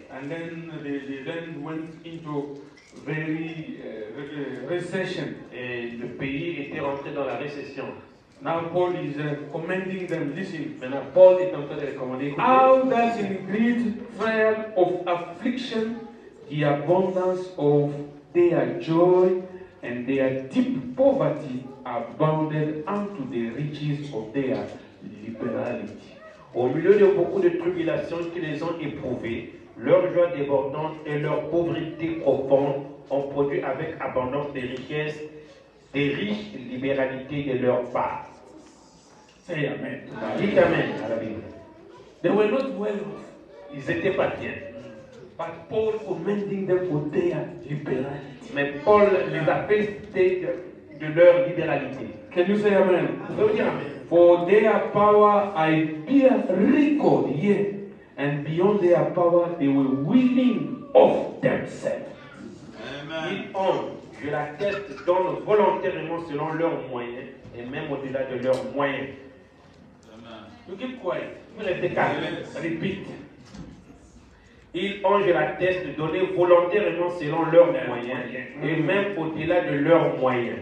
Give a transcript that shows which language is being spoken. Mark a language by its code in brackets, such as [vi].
[en] And then the land went into very recession. [fr] Et le pays était rentré dans la récession. [en] Now Paul is commanding them. Listen. [fr] Maintenant Paul est en train de recommander. [en] How does in great trial of affliction the abundance of their joy and their deep poverty abounded unto the riches of their liberality? [fr] Au milieu de beaucoup de tribulations qui les ont éprouvées, leur joie débordante et leur pauvreté profonde ont produit avec abondance des richesses. Des riches libéralités de leur part. [en] Say amen. [fr] Dites amen à la Bible. [en] They were not well off. [fr] Ils étaient pas bien. [en] But Paul commending them for their liberality. [fr] Mais Paul les a félicités de leur libéralité. [en] Can you say amen? [fr] Dites amen. [en] For their power I bear record, yeah. And beyond their power they were willing of themselves. [fr] Amen. Ils ont, de la tête donnent volontairement selon leurs moyens et même au-delà de leurs moyens. [en] You keep quiet. [fr] Vous restez calme. Répète. Ils ont de la tête donnée volontairement selon leurs moyens et même au-delà de leurs moyens.